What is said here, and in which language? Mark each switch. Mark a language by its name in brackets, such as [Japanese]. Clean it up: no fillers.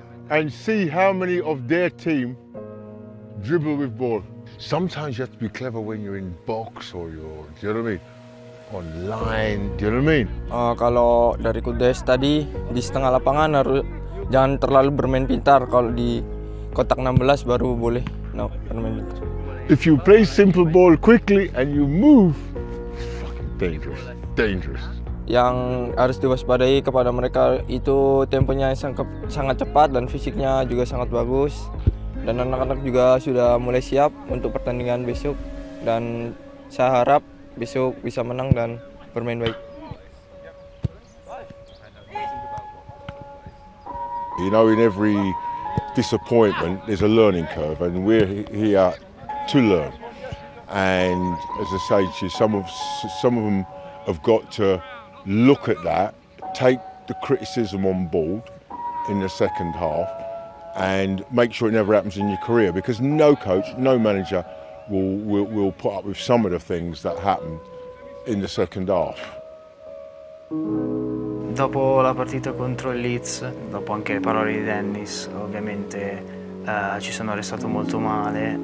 [English] And see how many of their team dribble with ball. Sometimes you have to be clever when you're in box or you're, do you know what I mean? Online, do you know what I mean? [Indonesian] Kalau dari kudes tadi di setengah lapangan harus jangan terlalu bermain pintar. Kalau di kotak 16 baru boleh bermain pintar. [English] If you play simple ball quickly and you move, it's fucking dangerous. Dangerous. [Indonesian] Yang harus diwaspadai kepada mereka itu temponya sangat cepat dan fisiknya juga sangat bagus. Dan anak-anak juga sudah mulai siap untuk pertandingan besok. Dan saya harap besok bisa menang dan bermain baik. [English] You know, in every disappointment, there's a learning curve, and we're here to learn. And as I say to you, some of them have got to look at that, take the criticism on board in the second half, and make sure it never happens in your career, because no coach, no manager will put up with some of the things that happened in the second half. [Italian] Dopo la partita contro il Leeds, dopo anche le parole di Dennis, ovviamente ci sono restato molto male.